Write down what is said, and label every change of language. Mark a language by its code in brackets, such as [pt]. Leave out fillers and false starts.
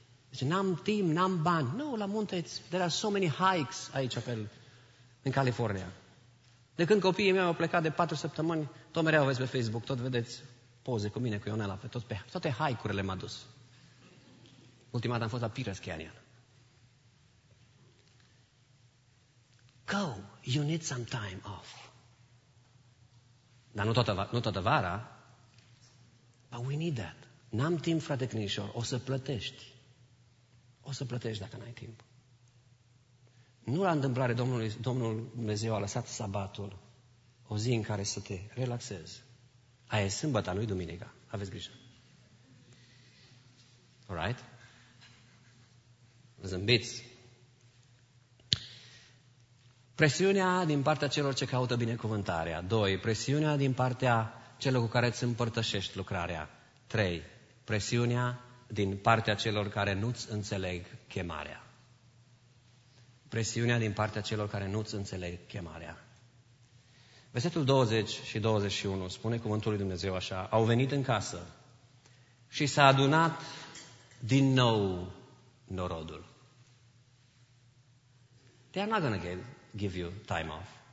[ro] Deci n-am timp, n-am bani. Nu, la munte, [en] there are so many hikes [ro] aici în California. De când copiii mei au plecat de 4 săptămâni, tot mereu aveți pe Facebook, tot vedeți poze cu mine, cu Ionela, pe tot, pe toate hike-urile m-a dus. Ultima dată am fost la Pires Canyon. [en] Go, you need some time off. [ro] Dar nu toată vara. [en] But we need that. [ro] N-am timp, frate Crinișor, o să plătești. O să plătești dacă n-ai timp. Nu la întâmplare Domnul Dumnezeu a lăsat sabatul, o zi în care să te relaxezi. Aia e sâmbăta, nu-i duminica. Aveți grijă. [en] Alright? [ro] Zâmbiți. Presiunea din partea celor ce caută binecuvântarea. 2. Presiunea din partea celor cu care îți împărtășești lucrarea. 3. Presiunea din partea celor care nu-ți înțeleg chemarea. Presiunea din partea celor care nu-ți înțeleg chemarea. Versetul 20 și 21 spune cuvântul lui Dumnezeu așa. Au venit în casă și s-a adunat din nou norodul. [en] They are not going to give you time off.